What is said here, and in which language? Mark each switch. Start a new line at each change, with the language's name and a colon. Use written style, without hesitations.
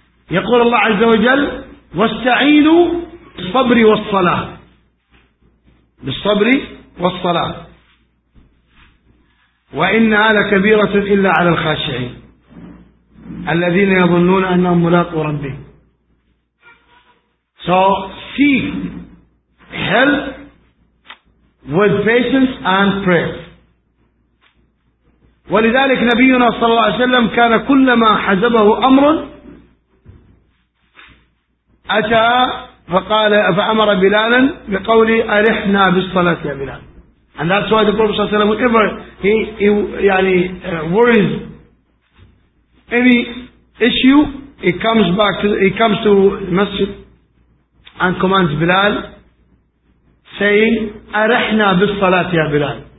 Arabic: يقول الله عز وجل واستعينوا بالصبر والصلاة. بالصبر والصلاة وإنها لكبيرة إلا على الخاشعين الذين يظنون أنهم ملاقوا ربهم.
English: So seek help with patience and prayer.
Arabic: ولذلك نبينا صلى الله عليه وسلم كان كلما حزبه أمر أتى فقال فأمر بلالا بقوله أرحنا بالصلاة يا بلال.
English: And that's why the Prophet
Arabic: صلى الله عليه وسلم
English: whenever he يعني worries any issue, he comes to masjid and commands Bilal, saying,
Arabic: "Arahna bil salat ya Bilal."